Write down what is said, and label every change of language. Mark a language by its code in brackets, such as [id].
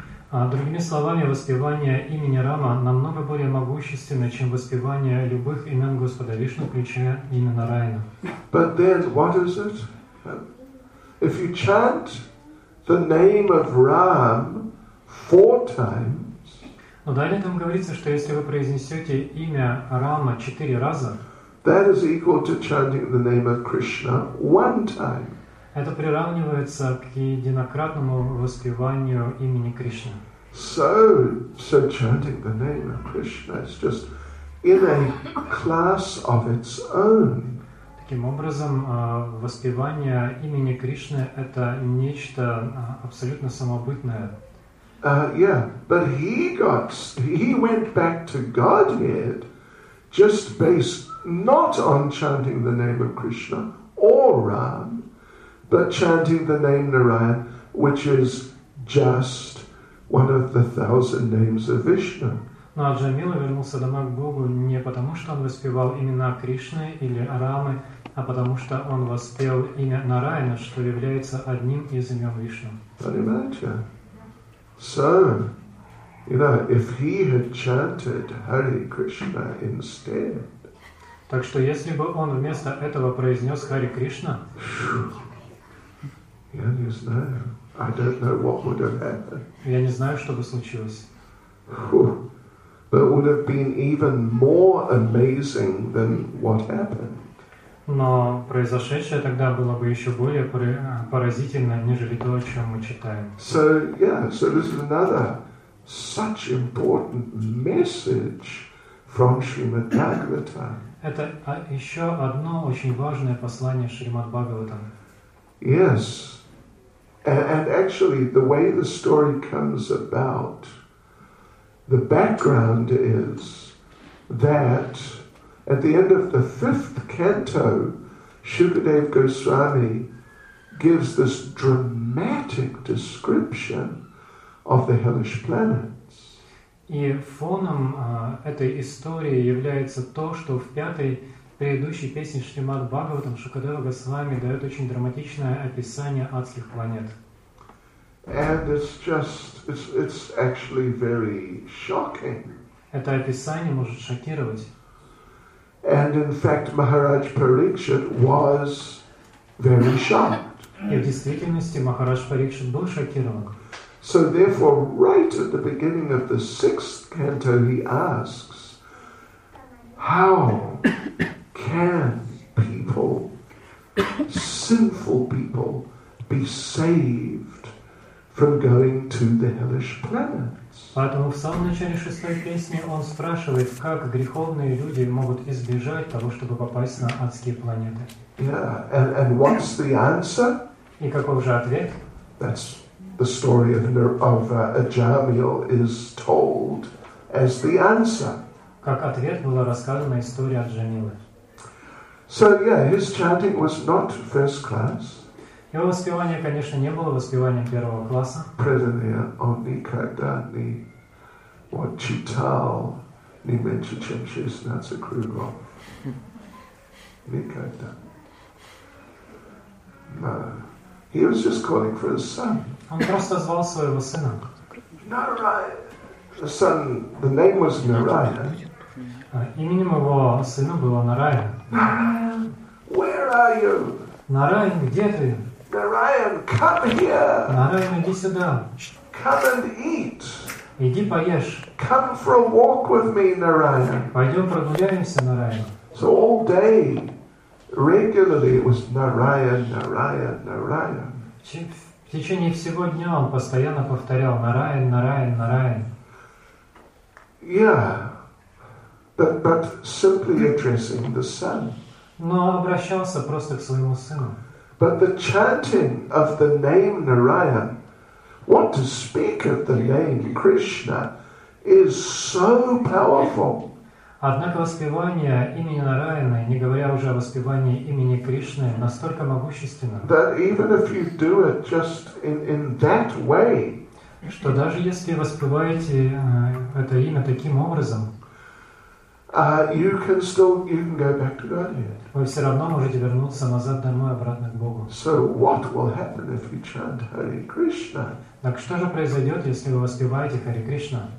[ru] Другими словами, воспевание имени Рама намного более могущественно, чем воспевание любых имен Господа Вишну, включая имя Нараяна. [en] But then, what is it? If you chant the name of Ram four times, [ru] но далее там говорится, что если вы произнесете имя Рама четыре раза, [en] that is equal to chanting the name of Krishna one time. [ru] Это приравнивается к единократному воспеванию имени Кришны. [en] So chanting the name of Krishna is just in a class of its own. [ru] Таким образом, воспевание имени Кришны – это нечто абсолютно самобытное. [en] But he went back to Godhead just based not on chanting the name of Krishna or Ram, but chanting the name Narayan, which is just one of the thousand names of Vishnu. [ru] Но Аджамила вернулся домой к Богу не потому, что он воспевал имена Кришны или Рамы, а потому что он воспел имя Нараяна, что является одним из имен Вишну. [en] Can you imagine? So, you know, if he had chanted Hare Krishna instead, [ru] так что если бы он вместо этого произнес Хари Кришна, [en] I don't know what would have happened. [ru] Я не знаю, что бы случилось. [en] But would have been even more amazing than what happened. [ru] Но произошедшее тогда было бы еще более поразительно, нежели то, о чем мы читаем. [en] So this is another such important message from Srimad Bhagavatam. [ru] Это еще одно очень важное послание Шримад Бхагаватам. [en] Yes, and actually, the way the story comes about, the background is that at the end of the fifth canto, Shukadev Goswami gives this dramatic description of the hellish planets. [ru] И фоном этой истории является то, что в пятой предыдущей песне Шримад Бхагаватам Шукадева Госвами дает очень драматичное описание адских планет. [en] And it's actually very shocking. [ru] Это описание может шокировать. [en] And in fact, Maharaj Parikshit was very shocked. [ru] И в действительности Махарадж Парикшит был шокирован. [en] So therefore, right at the beginning of the sixth canto, he asks, how can people, sinful people, be saved from going to the hellish planets? [ru] Поэтому в самом начале шестой песни он спрашивает, как греховные люди могут избежать того, чтобы попасть на адские планеты. [en] And what's the answer? [ru] И каков же ответ? [en] That's the story of Ajamil is told as the answer. [ru] Как ответ была рассказана история Аджамилы. [en] So yeah, his chanting was not first class. [ru] Его воспевание, конечно, не было воспеванием первого класса. Преданные они когда не вот читал не меньше чем 16 кругов. Никогда. [en] No. He was just calling for his son. [ru] Он просто звал своего сына. [en] Narayan. The son, the name was Narayan. [ru] Именем его сына было Нараян. [en] Нараян, where are you? [ru] Нараян, где ты? [en] Нараян, come here. [ru] Нараян, иди сюда. [en] Come and eat. [ru] Иди поешь. [en] Come for a walk with me, Нараян. [ru] Пойдем прогуляемся, Нараян. [en] So all day, regularly it was Нараян, Нараян, Нараян. [ru] В течение всего дня он постоянно повторял Нараян, Нараян, Нараян. [en] Yeah. But simply addressing the son. [ru] Но обращался просто к своему сыну. [en] But the chanting of the name Narayan, what to speak of the name Krishna, is so powerful. [ru] Однако воспевание имени Нараяна, не говоря уже о воспевании имени Кришны, настолько могущественно. [en] That even if you do it just in that way, [ru] что даже если воспеваете это имя таким образом, [en] you can go back to Godhead. [ru] Вы все равно можете вернуться назад домой, обратно к Богу. [en] So what will happen if you chant Hare Krishna? [ru] Так что же произойдет, если вы воспеваете Хари Кришна?